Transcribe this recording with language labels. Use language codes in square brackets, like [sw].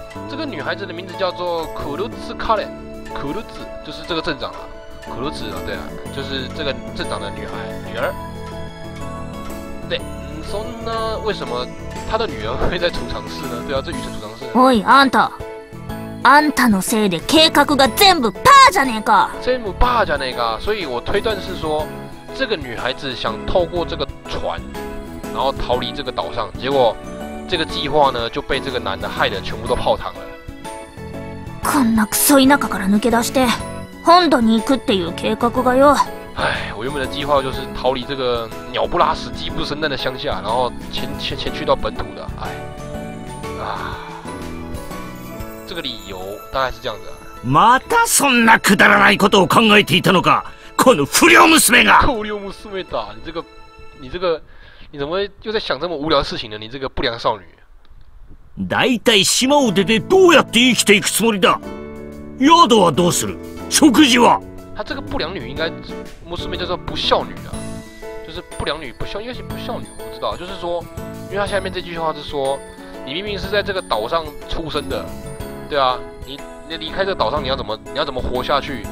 [zh] 这个女孩子的名字叫做库鲁兹卡莲，库鲁兹就是这个镇长啊，库鲁兹啊，对啊，就是这个镇长的女儿。对。 [ja] そんな [zh] 为什么他的女儿会在储藏室呢？对啊，这女生储藏室。 [ja] おい、あんた、あんたのせいで計画が全部パーじゃねえか。全部パーじゃねえか。 [zh] 所以我推断是说，这个女孩子想透过这个船，然后逃离这个岛上，结果这个计划呢就被这个男的害得全部都泡汤了。 [ja] こんなクソ田舎から抜け出して本土に行くっていう計画がよ。 [zh] 哎，我原本的计划就是逃离这个鸟不拉屎、鸡不生蛋的乡下，然后前去到本土的。哎，啊，这个理由大概是这样子、啊。 [ja] またそんなくだらないことを考えていたのか、この不良娘が。不良娘だ、 [zh] 你这个，你怎么又在想这么无聊的事情呢？你这个不良少女。 [ja] 大体島を出てどうやって生きていくつもりだ？宿はどうする？食事は？ [zh] 她这个不良女应该，穆斯梅叫做不孝女啊，就是不良女不孝，应该是不孝女，我不知道。就是说，因为她下面这句话是说，你明明是在这个岛上出生的，对啊，你离开这个岛上，你要怎么活下去？